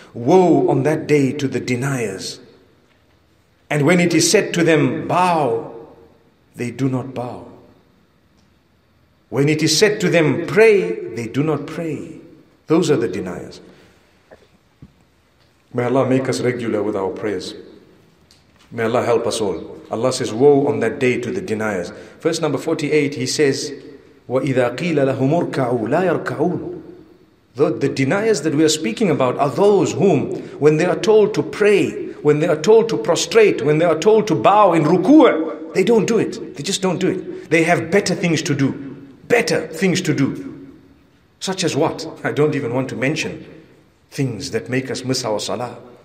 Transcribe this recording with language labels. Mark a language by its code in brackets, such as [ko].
[en] Woe on that day to the deniers. And when it is said to them, bow, they do not bow. When it is said to them, pray, they do not pray. Those are the deniers. May Allah make us regular with our prayers. May Allah help us all. Allah says, woe on that day to the deniers. Verse number 48, he says, [ar] وَإِذَا قِيلَ لَهُمُ ارْكَعُوا لَا يَرْكَعُونَ. [en] The deniers that we are speaking about are those whom, when they are told to pray, when they are told to prostrate, when they are told to bow in ruku', they don't do it. They just don't do it. They have better things to do. Better things to do. Such as what? I don't even want to mention things that make us miss our salah.